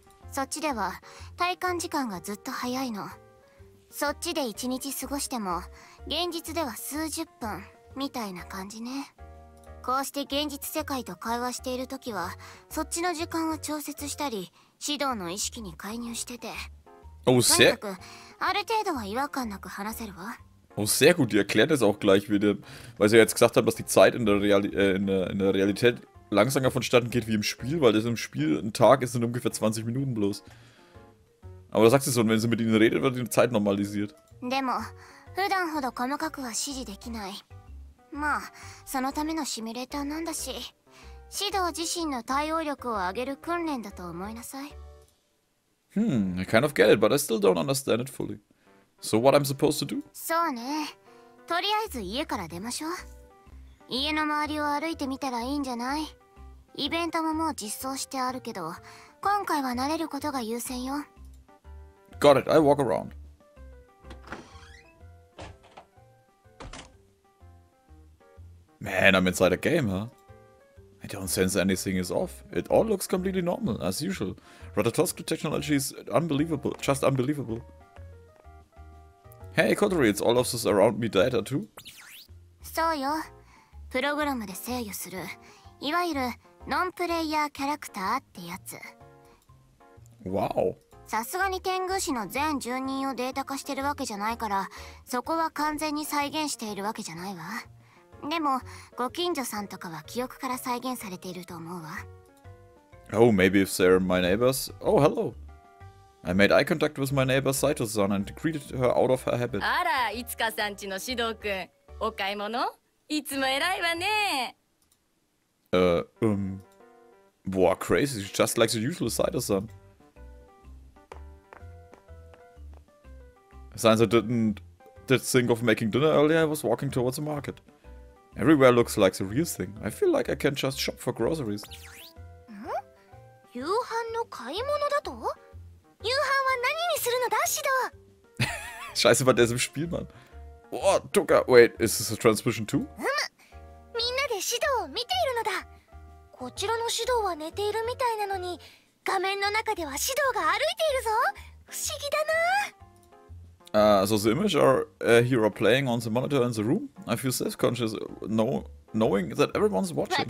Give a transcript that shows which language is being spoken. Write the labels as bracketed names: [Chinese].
[Japanese] そっちでは体感時間がずっと早いの。そっちで一日過ごしても現実では数十分みたいな感じね。こうして現実世界と会話しているときはそっちの時間を調節したり指導の意識に介入してて。おせ。とにかくある程度は違和感なく話せるわ。 [German] Oh, sehr gut. Die erklärt das auch gleich wieder, weil sie jetzt gesagt haben, dass die Zeit in der Realität langsamer vonstatten geht wie im Spiel, weil das im Spiel ein Tag ist in ungefähr 20 Minuten bloß. Aber das sagt sie so, und wenn sie mit ihnen redet, wird die Zeit normalisiert. [Japanese] Demo, 普段ほど細かくは指示できない。まあ、そのためのシミュレーターなんだし、指導自身の対応力を上げる訓練だと思いなさい。 [English] I kind of get it, but I still don't understand it fully. So what I'm supposed to do? [Japanese] そうね。とりあえず家から出ましょう。家の周りを歩いてみたらいいんじゃない？イベントももう実装してあるけど、今回は慣れることが優先よ。 [English] Got it, I walk around. Man, I'm inside a game, huh? I don't sense anything is off. It all looks completely normal, as usual. Rototosk technology is unbelievable, just unbelievable. Hey, Kotori, it's all of this around me data too? [Japanese] そうよ。プログラムで制御する、いわゆるノンプレイヤーキャラクターってやつ。わお。さすがに天狗市の全住人をデータ化してるわけじゃないから、そこは完全に再現しているわけじゃないわ。でも、ご近所さんとかは記憶から再現されていると思うわ。 [English] Oh, maybe if they're my neighbors. Oh, hello. I made eye contact with my neighbor Saito-san and greeted her out of her habit. [Japanese] あら、いつかさんちのシドウ君、お買い物？いつも偉いわね。 [English] Boah, crazy. She's just like the usual Saito-san. Since I did think of making dinner earlier, I was walking towards the market. Everywhere looks like the real thing. I feel like I can just shop for groceries. [Japanese] ん？夕飯の買い物だと？夕飯は何にするのだ、シド？ [German] Scheiße, war der im Spiel, Mann. [English] Oh, Tuka, wait, is this a transmission too? [Japanese] うむ、みんなでシドを見ているのだ。こちらのシドは寝ているみたいなのに、画面の中ではシドが歩いているぞ。不思議だな。 [English] So the image or hero playing on the monitor in the room? I feel self-conscious, knowing that everyone's watching.